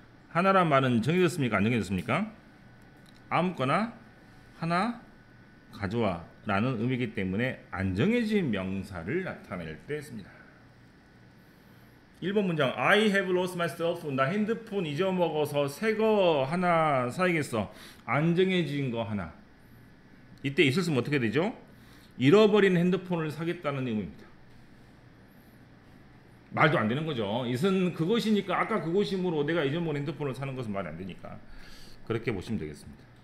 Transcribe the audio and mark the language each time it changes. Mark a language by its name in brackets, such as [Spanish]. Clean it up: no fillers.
[Korean] 하나란 말은 정해졌습니까? 안 정해졌습니까? 아무거나 하나 가져와 라는 의미이기 때문에 안 정해진 명사를 나타낼 때 씁니다. 1번 문장 [English] I have lost my cell phone. [Korean] 나 핸드폰 잊어먹어서 새 거 하나 사야겠어. 안 정해진 거 하나. 이때 있었으면 어떻게 되죠? 잃어버린 핸드폰을 사겠다는 의미입니다. 말도 안 되는 거죠. 이선 그것이니까 아까 그것이므로 내가 이전본 핸드폰을 사는 것은 말이 안 되니까 그렇게 보시면 되겠습니다.